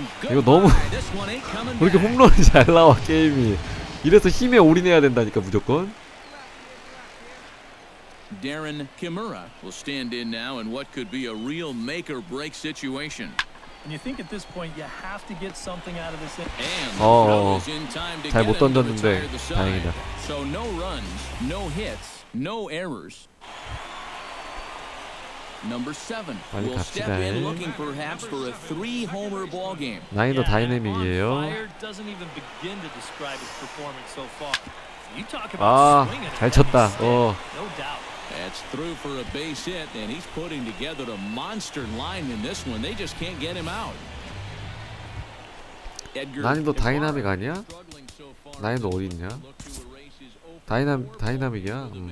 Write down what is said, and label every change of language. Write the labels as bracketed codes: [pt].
[ko] 이거 너무 왜 이렇게 홈런이 잘 나와 게임이. 이래서 힘에 올인해야 된다니까 무조건. [en] Darren Kimura will stand in now in what could be a real make or break situation. And you think at this point you have to get something out of this. [ko] 잘 못 던졌는데 다행이다. [en] So no runs, no hits, no errors. Number 7. [ko] 빨리 갑시다. [en] looking perhaps for a three homer ball game. [ko] 난이도 다이내믹이에요. [en] Doesn't even begin to describe his performance so far. You talk about swinging. 잘 쳤다. No doubt. That's through for a base hit and he's putting together a monster line in this one. They just can't get him out. [ko] 난이도 다이나믹 아니야? 난이도 어디 있냐? 다이나믹이야.